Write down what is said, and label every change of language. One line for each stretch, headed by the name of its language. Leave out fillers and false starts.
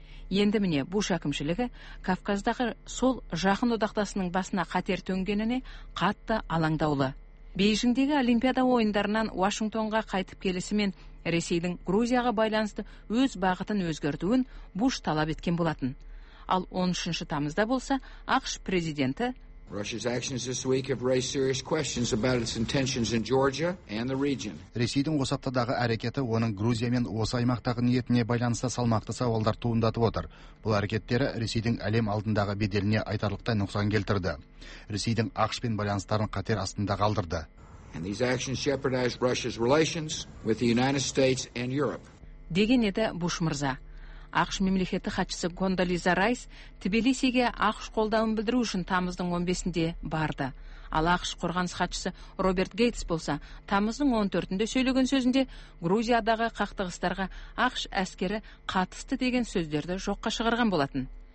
Kazakh: Енді міне Буш әкімшілігі Кавказдағы сол жақын одақтасының басына қатер төнгеніне қатты алаңдаулы. Бейжіңдегі Олимпиада ойындарынан Вашингтонға қайтып келісімен Ресейдің Грузияға байланысты өз бағытын өзгертуін Буш талап еткен болатын. Ал 13 тамызда болса АқШ президенті
English: Russia's actions this week have raised serious questions about its intentions in Georgia and the region.
Kazakh: Ресейдің осы аптадағы әрекеті оның Грузия мен осы аймақтағы ниетіне байланысты салмақты сауалдар туындатып отыр. Бұл әрекеттері Ресейдің әлем алдындағы беделіне айтарлықтай нұқсан келтірді. Ресейдің АқШ пен байланыстарын қатер астында қалдырды.
English: And these actions jeopardize Russia's relations with the United States and Europe.
Kazakh: Деген еді Буш Мырза. АқШ мемлекеті хатшысы Кондолиза Райс Тбилисиге АқШ қолдауын білдіру үшін тамыздың 15-інде барды. Ал АқШ қорғаныс хатшысы Роберт Гейтс болса, тамыздың 14-інде сөйлеген сөзінде Грузиядағы қақтығыстарға АқШ әскері қатысты деген сөздерді жоққа шығарған болатын.